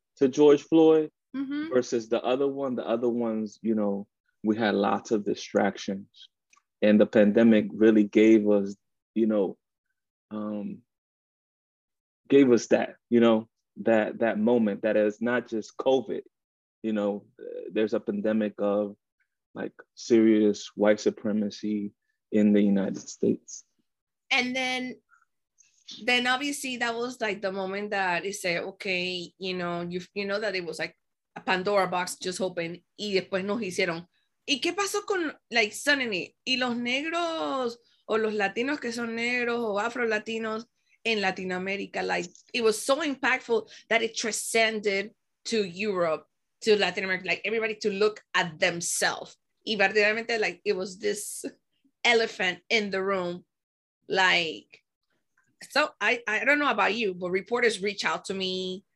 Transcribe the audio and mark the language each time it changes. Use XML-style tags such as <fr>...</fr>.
<en>to George Floyd mm-hmm. versus the other one. The other ones, you know, we had lots of distractions, and the pandemic really gave us, you know, gave us that, you know, that moment that is not just COVID, you know, there's a pandemic of like serious white supremacy in the United States. And then obviously that was like the moment that it said, okay, you know, you know that it was like a Pandora box just open,</en> <es>y después nos hicieron. ¿Y qué pasó con,</es> <en>like, suddenly,</en> <es>y los negros o los latinos que son negros o afro-latinos en Latinoamérica?</es> <en>Like, it was so impactful that it transcended to Europe, to Latin America, like, everybody to look at themselves.</en> <es>Y verdaderamente,</es> <en>like, it was this elephant in the room. Like, so, I don't know about you, but reporters reach out to me.</en>